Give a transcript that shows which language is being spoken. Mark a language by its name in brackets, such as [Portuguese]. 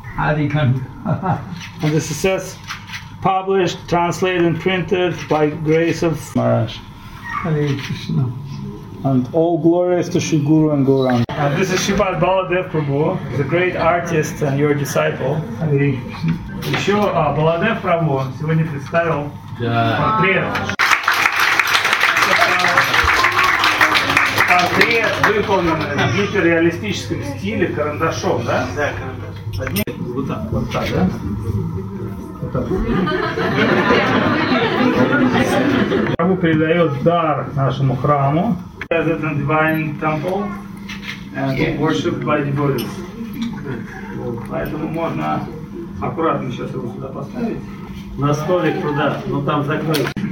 [English] Adikanda. And this says, published, translated, and printed by grace of Maharaj. Hare Krishna. And all glories to Sri Guru and Gauranga. And this is Shripad Baladev Prabhu, the great artist and your disciple. Hare Krishna. [Russian] Еще Баладев Прабху сегодня представил портрет. Портрет выполнен в гиперреалистическом стиле карандашом, да? Да, карандашом. Вот так, да? Прабху передает дар нашему храму. [English] As a divine temple, and worshipped by devotees. [Russian] Поэтому можно аккуратно сейчас его сюда поставить. На столик туда, но там закрыто.